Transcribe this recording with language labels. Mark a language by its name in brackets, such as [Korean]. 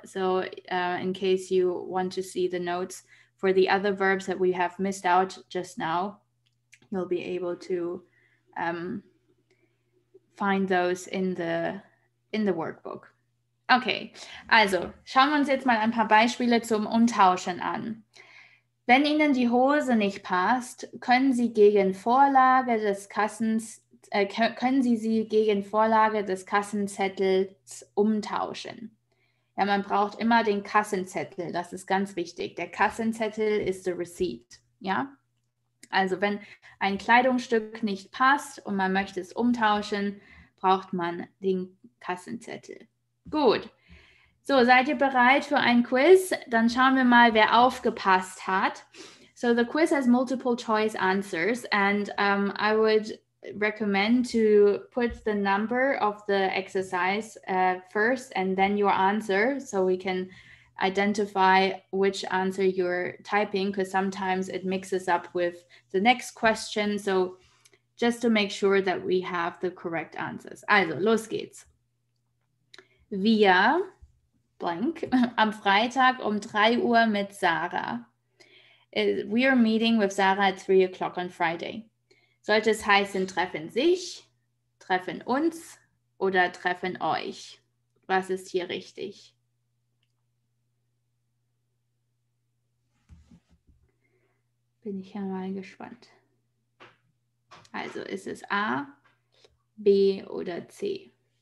[English] So in case you want to see the notes for the other verbs that we have missed out just now, you'll be able to find those in the workbook. [German] Okay, also schauen wir uns jetzt mal ein paar Beispiele zum Umtauschen an. Wenn Ihnen die Hose nicht passt, können Sie sie gegen Vorlage des Kassenzettels umtauschen. Ja, man braucht immer den Kassenzettel, das ist ganz wichtig. Der Kassenzettel ist [English] the receipt, [German] ja? Also wenn ein Kleidungsstück nicht passt und man möchte es umtauschen, braucht man den Kassenzettel. Gut. So, seid ihr bereit für ein Quiz? Dann schauen wir mal, wer aufgepasst hat. [English] So, the quiz has multiple choice answers and I would recommend to put the number of the exercise first and then your answer so we can identify which answer you're typing because sometimes it mixes up with the next question. So just to make sure that we have the correct answers. [German] Also, los geht's. Wir, blank, am Freitag um 3 Uhr mit Sarah. [English] We are meeting with Sarah at 3 o'clock on Friday. [German] Sollte es heißen, treffen sich, treffen uns oder treffen euch? Was ist hier richtig? Bin ich ja mal gespannt. Also ist es A, B oder C?